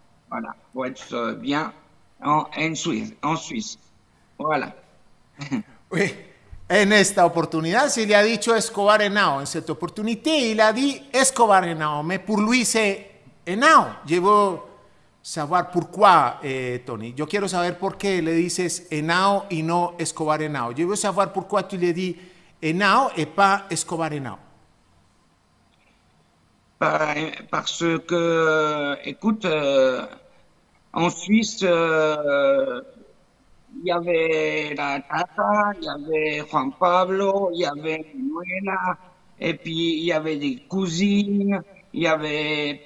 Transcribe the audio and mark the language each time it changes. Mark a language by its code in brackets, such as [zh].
[fr] Voilà, pour être bien en Suisse. Voilà. [es] En esta oportunidad se le ha dicho Escobar Henao, [fr] en cette opportunité il a dit Escobar Henao, mais pour lui c'est Henao. Je veux savoir pourquoi, Tony. [es] Yo quiero saber por qué le dices Henao y no Escobar Henao. [fr] Je veux savoir pourquoi tu le dis Henao et pas Escobar Henao. Parce que, écoute, en Suisse, il y avait la Tata, il y avait Juan Pablo, il y avait Manuela, et puis il y avait des cousines, il y avait...